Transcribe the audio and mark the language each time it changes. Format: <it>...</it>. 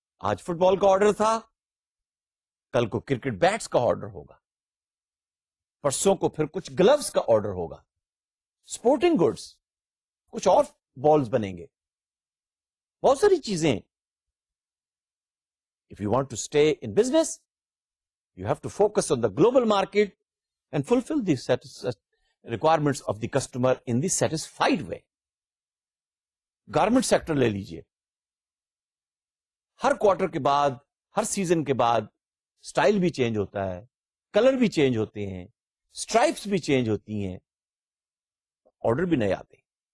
<ur>آج فٹ بال کا آرڈر تھا, کل کو کرکٹ بیٹس کا آرڈر ہوگا, پرسوں کو پھر کچھ گلوز کا آرڈر ہوگا, سپورٹنگ گوڈز, کچھ اور بالز بنیں گے, بہت ساری چیزیں.</ur> <en>If you want to stay in business, you have to focus on the global market and fulfill the requirements of the customer in the satisfied way.</en> <ur>Garment sector لے لیجئے, ہر quarter کے بعد, ہر سیزن کے بعد اسٹائل بھی change ہوتا ہے, colour بھی چینج ہوتے ہیں, اسٹرائپس بھی چینج ہوتی ہیں, آرڈر بھی نئے آتے ہیں.</ur>